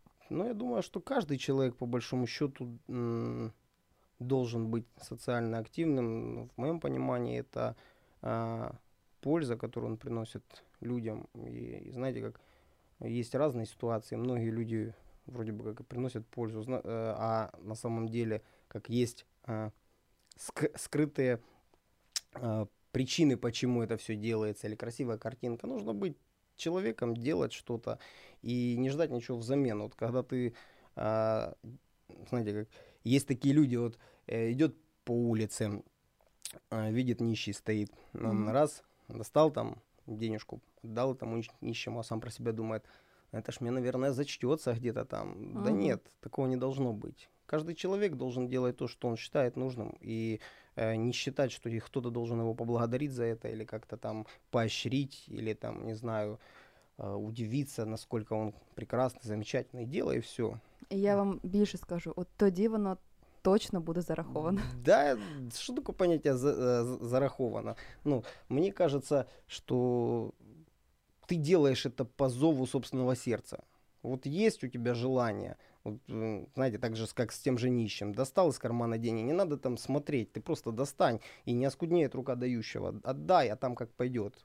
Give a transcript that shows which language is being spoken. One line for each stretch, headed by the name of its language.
Ukrainian: Ну, я думаю, що кожен чоловік,
Russian: по большому счету, должен
Ukrainian: бути соціально активним. В моєму розумінні, це польза, яку він приносить людям. І знаєте, як є різні ситуації, многі люди...
Russian: вроде бы как и приносят пользу, а на самом деле, как есть скрытые причины, почему это все делается, или красивая картинка. Нужно быть человеком, делать что-то и не ждать ничего взамен. Вот когда ты, знаете, как есть такие люди, вот идет по улице, видит нищий стоит, раз, достал там денежку, дал этому нищему, а сам про себя думает, это ж мне, наверное, зачтется где-то там. Да нет, такого не должно быть. Каждый человек должен делать то, что он считает нужным, и не считать, что кто-то должен его поблагодарить за это, или как-то там поощрить, или там, не знаю, удивиться, насколько он прекрасный, замечательный. Делай все. Я вам больше скажу, вот
Ukrainian: тоді воно точно буде зараховано.
Russian: Да, что такое понятие зараховано? Ну, мне кажется, что ты делаешь это по зову собственного сердца. Вот есть у тебя желание, вот, знаете, так же, как с тем же нищим, достал из кармана деньги, не надо там смотреть, ты просто достань, и не оскуднеет рука дающего, отдай, а там как пойдет.